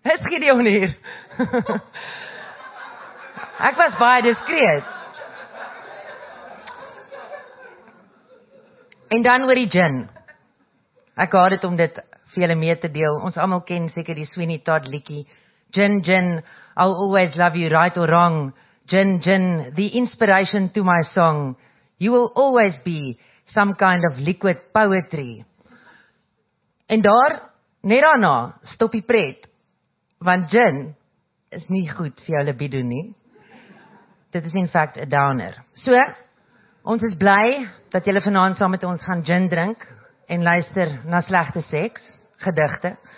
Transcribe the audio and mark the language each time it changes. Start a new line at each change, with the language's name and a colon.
Afrikaans: Gideon hier. Ek was baie diskreet. En dan oor die gin. Ek haat dit om dit vir julle mee te deel. Ons almal ken seker die Sweeney Todd liedjie.
English: Gin, gin, I'll always love you right or wrong. Gin, gin, the inspiration to my song. You will always be some kind of liquid poetry.
Afrikaans: En daar, net daarna, stop die pret. Want gin is nie goed vir jou libido nie. Dit is
English: in fact
Afrikaans: 'n downer. So, ons is bly dat julle vanaand saam met ons gaan gin drink en luister na slegte seks, gedigte.